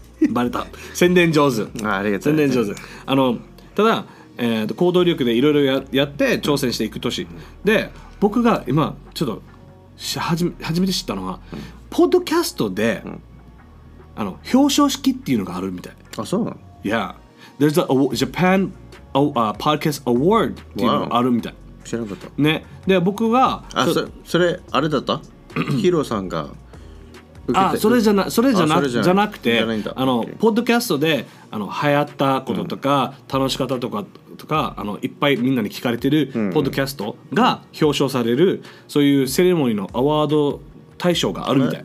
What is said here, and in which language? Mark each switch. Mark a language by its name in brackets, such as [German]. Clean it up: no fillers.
[Japanese] バレた。宣伝上手。あ、ありがとうございます。宣伝上手。あのただ、行動力でいろいろやって挑戦していく年、うん、で僕が今ちょっと初めて知ったのは、ポッドキャストで、うん、あの表彰式っていうのがあるみたい。あ、そうなの。 [English] Yeah There's a Japan Podcast Award [Japanese] っていうのがあるみたい。知らなかった、ね、で僕はあ それあれだったヒロさんが受けて。あ、それじゃな、それじゃな、じゃなくて、あの、okay. ポッドキャストであの流行ったこととか、うん、楽しかったとかとか、あのいっぱいみんなに聞かれてるポッドキャストが表彰される、うん、そういうセレモニーのアワード大賞があるみたい。